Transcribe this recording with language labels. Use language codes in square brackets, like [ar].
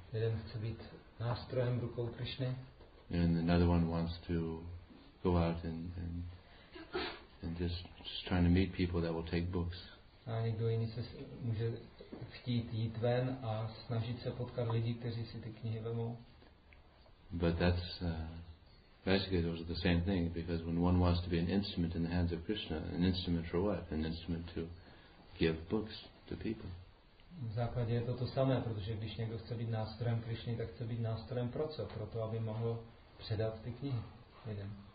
[cs] Jeden chce být nástrojem v rukou Krishny. [en] And another one wants to go out and just trying to meet people that will take books. [cs] A někdo jiný se může chtít jít ven a snažit se potkat lidi, kteří si ty knihy vemou. [en] But that's basically those are the same thing, because when one wants to be an instrument in the hands of Krishna, an instrument for what? An instrument to give books to people. [cs] V základě je to to samé, protože když někdo chce být nástrojem Krišny, tak chce být nástrojem pro co? Pro to, aby mohl předat ty knihy lidem.